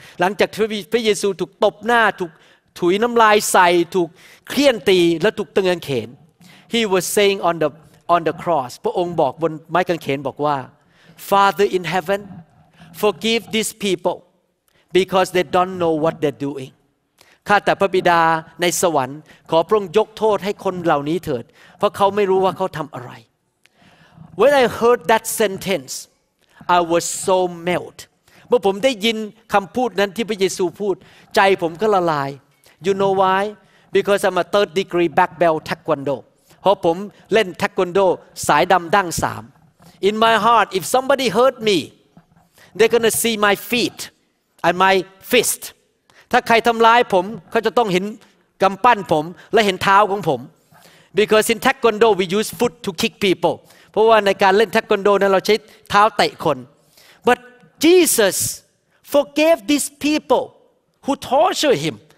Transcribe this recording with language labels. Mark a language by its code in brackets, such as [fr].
[th] หลังจากพระเยซูถูกตบหน้าถูกถุยน้ำลายใส่ถูกเคี่ยนตีและถูกตึงกางเขน [en] He was saying on the cross [th] พระองค์บอกบนไม้กางเขนบอกว่า [en] Father in heaven forgive these people because they don't know what they're doing [th] ข้าแต่พระบิดาในสวรรค์ขอพระองค์ยกโทษให้คนเหล่านี้เถิดเพราะเขาไม่รู้ว่าเขาทำอะไร [en] When I heard that sentence I was so melted. [th] เมื่อผมได้ยินคำพูดนั้นที่พระเยซูพูดใจผมก็ละลาย [en] You know why? Because I'm a third degree black belt taekwondo [th] เพราะผมเล่นเทควันโดสายดำดั้งสาม [en] In my heart, if somebody hurt me, they're gonna see my feet and my fist. [th] ถ้าใครทำร้ายผมเขาจะต้องเห็นกำปั้นผมและเห็นเท้าของผม [en] Because in taekwondo we use foot to kick people [th] เพราะว่าในการเล่นเทควันโดนั้นเราใช้เท้าเตะคน [en] Jesus forgave these people who tortured him.